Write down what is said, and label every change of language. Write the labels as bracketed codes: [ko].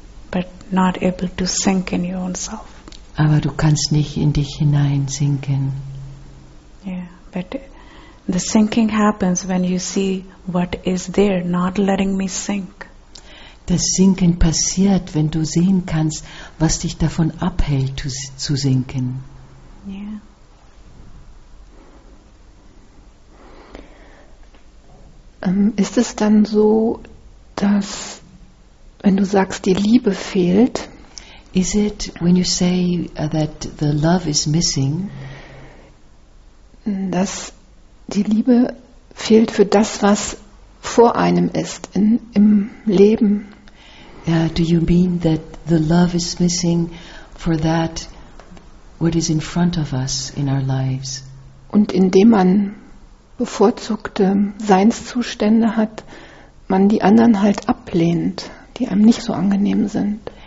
[en] But not able to sink in your own self. [de] Aber du kannst nicht in dich hineinsinken. [en] Yeah, but the sinking happens when you see what is there, not letting me sink. [de] Das Sinken passiert, wenn du sehen kannst, was dich davon abhält, zu sinken. Yeah. Ist es dann so, dass, wenn du sagst, die Liebe fehlt, [en] is it when you say that the love is missing, [de] dass die Liebe fehlt für das, was vor einem ist, im Leben? [en] Do you mean that the love is missing for that what is in front of us in our lives? [de] Und indem man bevorzugte Seinszustände hat, man die anderen halt ablehnt, die einem nicht so angenehm sind.